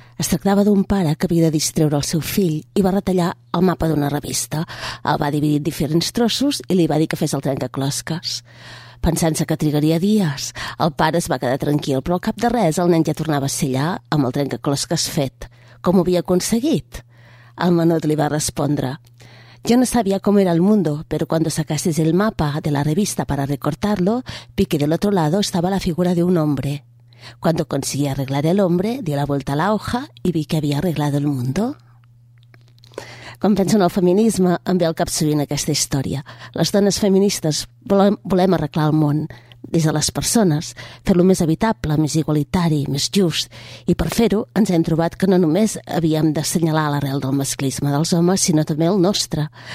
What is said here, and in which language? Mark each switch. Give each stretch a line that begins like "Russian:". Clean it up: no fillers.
Catalan: Es tractava d'un pare que havia de distreure el seu fill i va retallar el mapa d'una revista. El va dividir en diferents trossos i li va dir que fes el trencaclosques. Pensant-se que trigaria dies, el pare es va quedar tranquil, però al cap de res el nen ja tornava a ser allà amb el trencaclosques fet. Com ho havia aconseguit? El menut li va respondre:
Spanish: «Yo no sabía cómo era el mundo, pero cuando sacases el mapa de la revista para recortarlo, vi que del otro lado estaba la figura de un hombre. Cuando conseguí arreglar el hombre, di la vuelta a la hoja y vi que había arreglado el mundo».
Catalan: Quan penso en el feminisme, em ve al cap sovint aquesta història. Les dones feministes volem arreglar el món des de les persones, fer-lo més habitable, més igualitari, més just. I per fer-ho, ens hem trobat que no només havíem d'assenyalar l'arrel del masclisme dels homes, sinó també el nostre.